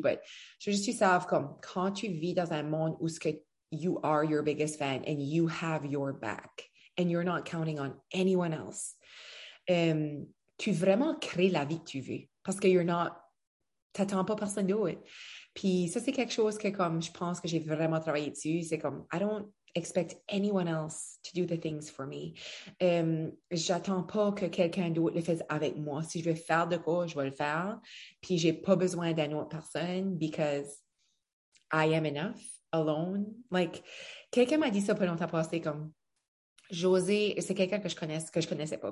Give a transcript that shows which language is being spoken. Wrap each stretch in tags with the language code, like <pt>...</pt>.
<fr>But je veux juste savoir, comme, quand tu vis dans un monde où ce que</fr> <en>you are your biggest fan and you have your back and you're not counting on anyone else,</en> <fr>tu vraiment crées la vie que tu veux parce que</fr> <en>you're not,</en> <fr>t'attends pas personne d'autre. Puis ça, c'est quelque chose que, comme, je pense que j'ai vraiment travaillé dessus. C'est comme,</fr> <en>I don't expect anyone else to do the things for me.</en> <fr>J'attends pas que quelqu'un d'autre le fasse avec moi. Si je veux faire de quoi, je vais le faire. Puis j'ai pas besoin d'une autre personne</fr> <en>because I am enough alone.</en> <fr>Like, quelqu'un m'a dit ça pendant ta passée, comme, José, c'est quelqu'un que je connaissais, pas.</fr>